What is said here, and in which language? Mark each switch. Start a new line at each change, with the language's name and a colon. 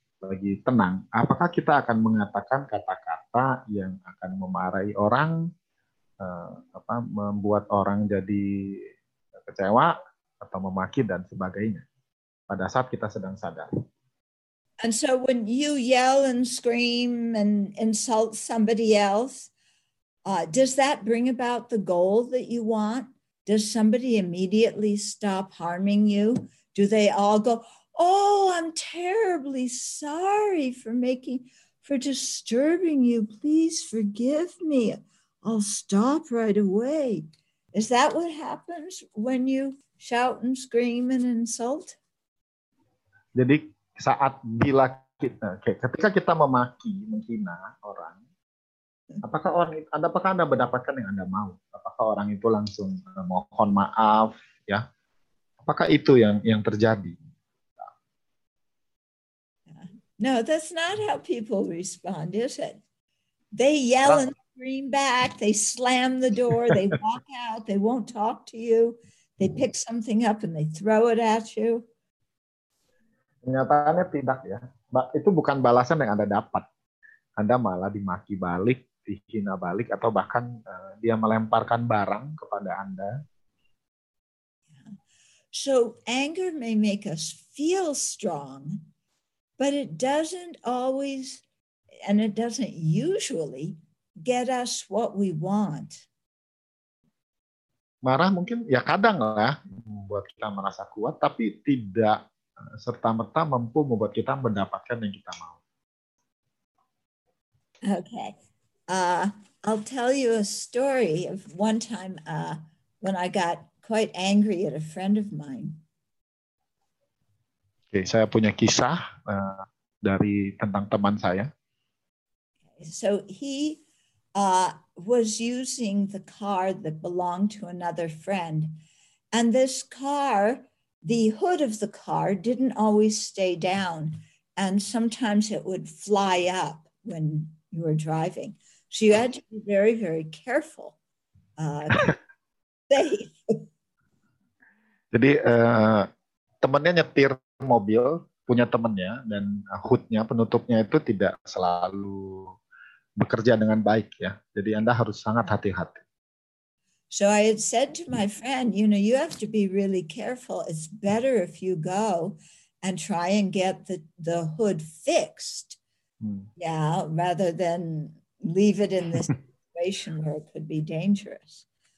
Indonesian: lagi tenang, apakah kita akan mengatakan kata-kata yang akan memarahi orang, membuat orang jadi kecewa atau memaki dan sebagainya pada saat kita sedang sadar.
English: And so when you yell and scream and insult somebody else, does that bring about the goal that you want? Does somebody immediately stop harming you? Do they all go, oh, I'm terribly sorry for disturbing you. Please forgive me. I'll stop right away. Is that what happens when you shout and scream and insult?
Indonesian: Jadi saat bila kita, ketika kita memaki, menghina orang, apakah orang itu, apakah Anda mendapatkan yang Anda mau? Apakah orang itu langsung mohon maaf, ya? Apakah itu yang terjadi?
English: No, that's not how people respond, is it? They yell and scream back, they slam the door, they walk out, they won't talk to you, they pick something up and they throw it at you.
Indonesian: Kenyataannya tidak, ya. Itu bukan balasan yang Anda dapat. Anda malah dimaki balik, dihina balik, atau bahkan dia melemparkan barang kepada Anda.
English: So anger may make us feel strong, but it doesn't always, and it doesn't usually, get us what we want.
Indonesian: Marah mungkin, ya kadang lah, membuat kita merasa kuat, tapi tidak serta-merta mampu membuat kita mendapatkan yang kita mau.
English: Okay. I'll tell you a story of one time when I got quite angry at a friend of mine.
Indonesian: Okay, saya punya kisah dari tentang teman saya.
English: So he was using the car that belonged to another friend, and this car, the hood of the car didn't always stay down, and sometimes it would fly up when you were driving. So you had to be very, very careful.
Indonesian: Jadi temannya nyetir mobil, punya temannya, dan hoodnya, penutupnya itu tidak selalu bekerja dengan baik, ya. Jadi Anda harus sangat hati-hati.
English: So I had said to my friend, you know, you have to be really careful. It's better if you go and try and get the hood fixed, yeah, rather than leave it in this situation where it could be dangerous.